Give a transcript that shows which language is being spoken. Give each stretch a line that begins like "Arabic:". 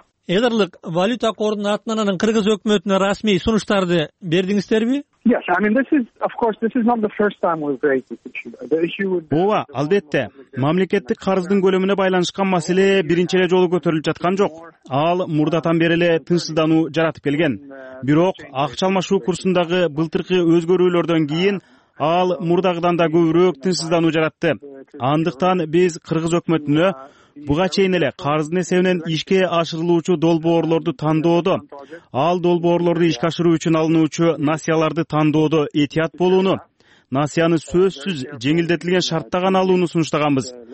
Kyrgyz: Эл аралык валюта корунун атынан анын кыргыз өкмөтүнө расмий сунуштарды бердиңиздерби?
English: Yes, I mean this is not the first time we've raised this issue.
Kyrgyz: Ооба, албетте. Мамлекеттик карыздын көлөмүнө байланышкан маселе биринчи эле жолу көтөрүлүп жаткан жок. Ал мурдатан бери эле тынчсыздануу жаратып келген. Бирок акча алмашуу курсундагы былтыркы өзгөрүүлөрдөн кийин ал мурдагыдан да көбүрөөк тынчсыздануу жаратты. Андыктан биз кыргыз өкмөтүнө буга чейин эле карыздын эсебинен ишке ашырылуучу долбоорлорду тандоодо, ал долбоорлорду ишке ашыруу үчүн алынуучу насыяларды тандоодо этият болууну, насыяны сөзсүз жеңилдетилген шартта гана алууну сунуштаганбыз.